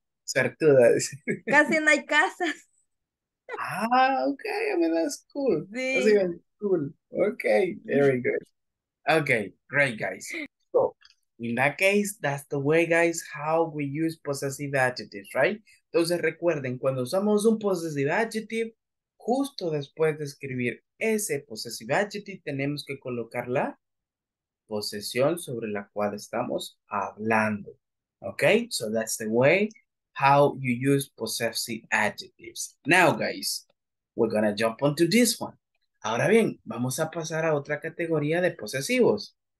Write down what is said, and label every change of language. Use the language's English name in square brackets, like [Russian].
[Spanish] Suertuda. Casi no hay casas. [English] Ah, okay. I mean, that's cool. Sí. That's even cool. Okay, very good. Okay, great, guys. So, in that case, that's the way, guys, how we use possessive adjectives, right? [Spanish] Entonces, recuerden, cuando usamos un possessive adjective, justo después de escribir ese possessive adjective, tenemos que colocar la posesión sobre la cual estamos hablando. [English] Okay, so that's the way how you use possessive adjectives. Now, guys, we're gonna jump onto this one. [Spanish] Ahora bien, vamos a pasar a otra categoría de posesivos.